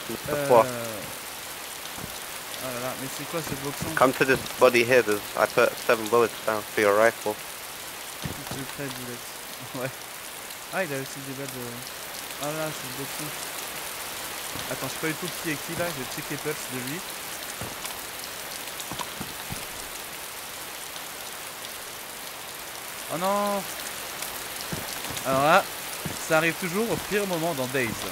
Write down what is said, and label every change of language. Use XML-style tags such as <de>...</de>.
<fr>Oh là là, mais c'est quoi ce boxon?</fr> <en>Come to this body here, I put 7 bullets down for your rifle.</en> <fr>J'ai pris des bullets. Ouais. Ah, il a aussi des balles de... Oh là là, c'est ce boxon. Attends, je sais pas du tout qui est qui là, je vais check les pups de lui. Oh non! Alors là, ça arrive toujours au pire moment dans Days.</fr>